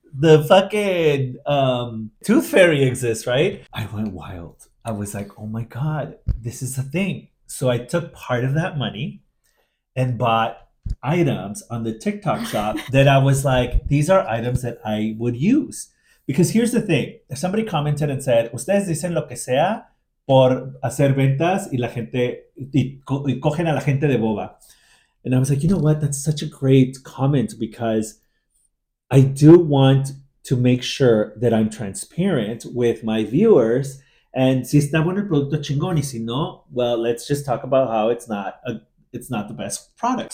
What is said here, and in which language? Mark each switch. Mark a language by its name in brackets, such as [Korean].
[English] The fucking Tooth Fairy exists, right? I went wild. I was like, oh my God, this is a thing. So I took part of that money and bought items on the TikTok shop that I was like, these are items that I would use. Because here's the thing. Somebody commented and said, [Spanish] ustedes dicen lo que sea por hacer ventas y la gente, y cogen a la gente de boba. [English] And I was like, you know what? That's such a great comment because I do want to make sure that I'm transparent with my viewers. And [Spanish] si está bueno el producto, chingón, y si no, [English] well, let's just talk about how it's not the best product.